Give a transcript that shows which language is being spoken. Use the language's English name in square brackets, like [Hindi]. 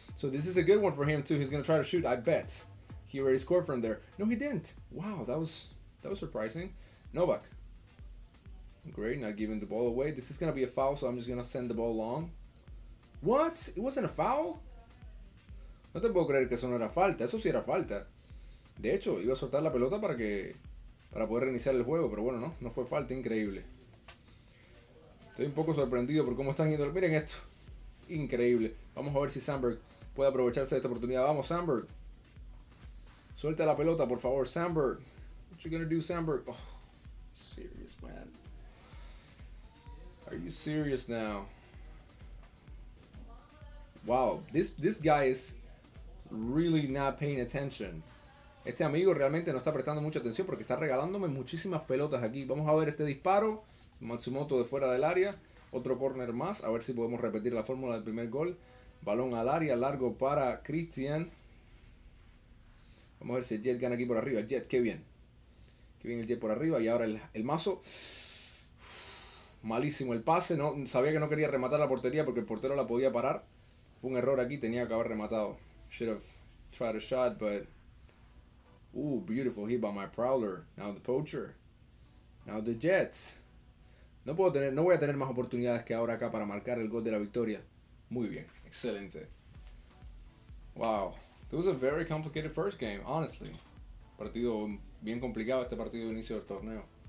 [English] So this is a good one for him too. He's going to try to shoot, I bet. He already scored from there. No, he didn't. Wow, that was surprising. Novak. Great, not giving the ball away. This is going to be a foul, so I'm just going to send the ball long. What? It wasn't a foul? [Spanish] No te puedo creer que eso no era falta. Eso sí era falta. De hecho, iba a soltar la pelota para que... Para poder reiniciar el juego, pero bueno, no fue falta, increíble. Estoy un poco sorprendido por cómo están yendo. Miren esto, increíble. Vamos a ver si Sandberg puede aprovecharse de esta oportunidad. Vamos, Sandberg. Suelta la pelota, por favor, Sandberg. [English] What you gonna do, Sandberg? Oh, serious, man. Are you serious now? Wow, this guy is really not paying attention. [Spanish] Este amigo realmente no está prestando mucha atención porque está regalándome muchísimas pelotas aquí. Vamos a ver este disparo. Matsumoto de fuera del área. Otro corner más. A ver si podemos repetir la fórmula del primer gol. Balón al área. Largo para Christian. Vamos a ver si el Jet gana aquí por arriba. Jet, qué bien. Qué bien el Jet por arriba. Y ahora el mazo. Malísimo el pase. No, sabía que no quería rematar la portería porque el portero la podía parar. Fue un error aquí. Tenía que haber rematado. [English] Should have tried a shot, but... Ooh, beautiful hit by my prowler. Now the poacher. Now the Jets. [Spanish] No voy a tener más oportunidades que ahora acá para marcar el gol de la victoria. Muy bien. Excelente. Wow. [English] This was a very complicated first game, honestly. [Spanish] Partido bien complicado este partido de inicio del torneo.